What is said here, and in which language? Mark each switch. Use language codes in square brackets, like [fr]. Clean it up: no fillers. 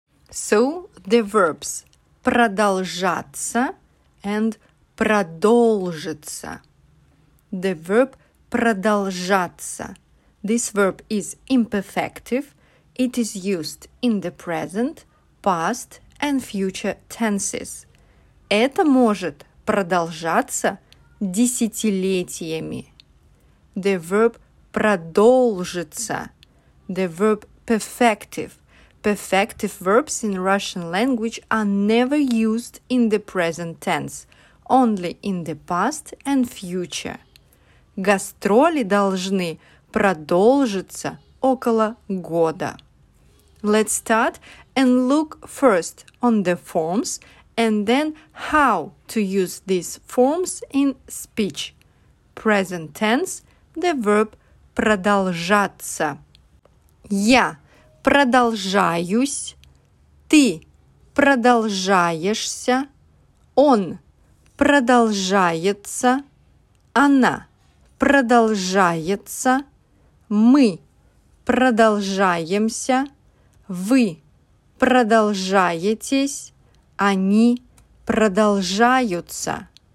[en] So, the verbs продолжаться and продолжиться. The verb продолжаться. This verb is imperfective. It is used in the present, past and future tenses. [ru] Это может продолжаться десятилетиями. [en] The verb продолжиться. The verb perfective. Perfective verbs in Russian language are never used in the present tense, only in the past and future. [ru] Гастроли должны продолжиться около года. [en] Let's start and look first on the forms and then how to use these forms in speech. Present tense, the verb продолжаться. [ru] Я продолжаюсь, ты продолжаешься, он продолжается, она продолжается, мы продолжаемся, вы продолжаетесь, они продолжаются.